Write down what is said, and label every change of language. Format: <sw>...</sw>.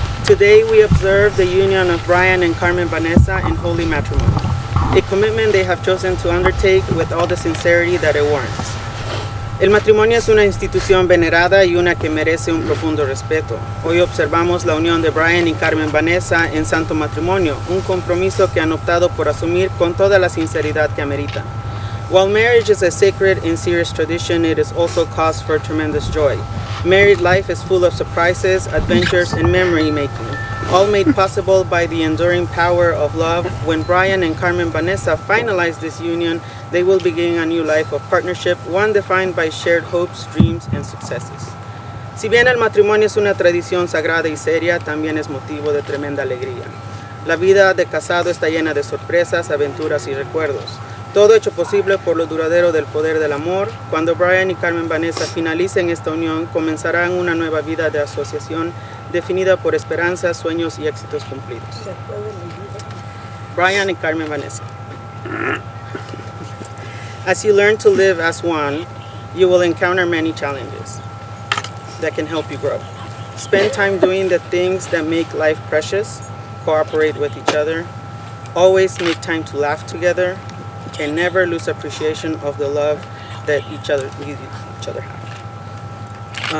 <en>Today we observe the union of Bryan and Carmen Vanessa in holy matrimony, a commitment they have chosen to undertake with all the sincerity that it warrants.</en> <es>El matrimonio es una institución venerada y una que merece un profundo respeto. Hoy observamos la unión de Bryan y Carmen Vanessa en santo matrimonio, un compromiso que han optado por asumir con toda la sinceridad que amerita.</es> <en>While marriage is a sacred and serious tradition, it is also cause for tremendous joy. Married life is full of surprises, adventures, and memory making, all made possible by the enduring power of love. When Bryan and Carmen Vanessa finalize this union, they will begin a new life of partnership, one defined by shared hopes, dreams, and successes.</en> <es>Si bien el matrimonio es una tradición sagrada y seria, también es motivo de tremenda alegría. La vida de casado está llena de sorpresas, aventuras, y recuerdos. Todo hecho posible por lo duradero del poder del amor. Cuando Bryan y Carmen Vanessa finalicen esta unión, comenzarán una nueva vida de asociación definida por esperanzas, sueños y éxitos cumplidos. Bryan y Carmen Vanessa.</es> <en>As you learn to live as one, you will encounter many challenges that can help you grow. Spend time doing the things that make life precious. Cooperate with each other. Always make time to laugh together. And never lose appreciation of the love that each other have.</en>